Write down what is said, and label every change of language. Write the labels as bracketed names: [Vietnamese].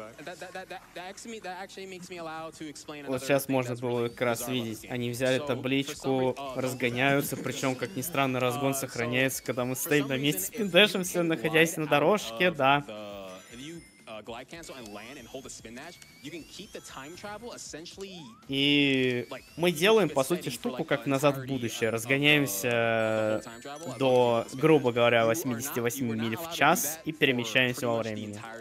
[Russian] Вот сейчас можно было как раз видеть. Они взяли табличку, разгоняются, причем, как ни странно, разгон сохраняется, когда мы стоим на месте с пиндешимся, находясь на дорожке, да. [English] glide cancel and land and hold a spin dash, you can keep the time travel essentially. [Russian] И мы делаем по сути штуку как назад в будущее, разгоняемся до, грубо говоря, 88 миль в час и перемещаемся во времени.